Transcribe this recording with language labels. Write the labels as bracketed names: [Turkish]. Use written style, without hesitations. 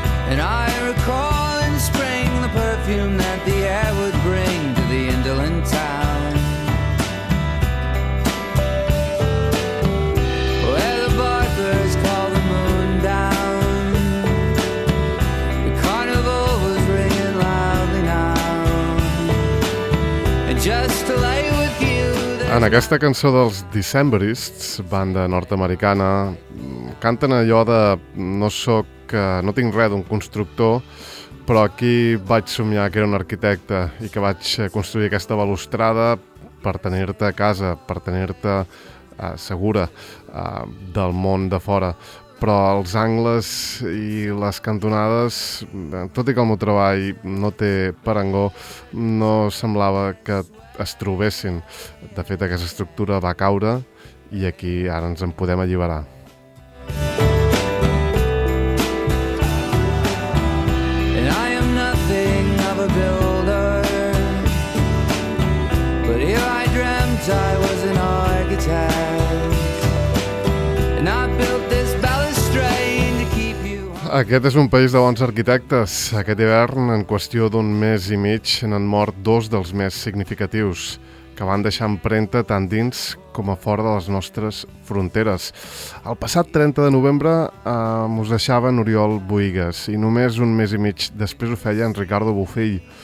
[English] And I recall in spring the perfume that the air would bring to the indolent town, where the barkers called the moon down. The carnival was ringing loudly now. And just to lay. [Catalan] En aquesta cançó dels Decemberists, banda nord-americana, canten allò de no sóc, no tinc res d'un constructor, però aquí vaig somiar que era un arquitecte i que vaig construir aquesta balustrada per tenir-te a casa, per tenir-te segura del món de fora. Però els angles i les cantonades, tot i que el meu treball no té parangó, no semblava que es trobessin. De fet, aquesta estructura va caure i aquí ara ens en podem alliberar. [English] And I am nothing of a builder, but here I dreamt I was an architect. And I built this balustrade to keep you. [Catalan] Aquest és un país de bons arquitectes. Aquest hivern, en qüestió d'un mes i mig, n'han mort dos dels més significatius, que van deixar empremta tant dins com a fora de les nostres fronteres. El passat 30 de novembre us deixava en Oriol Buigues i només un mes i mig després ho feia en Ricardo Bofill.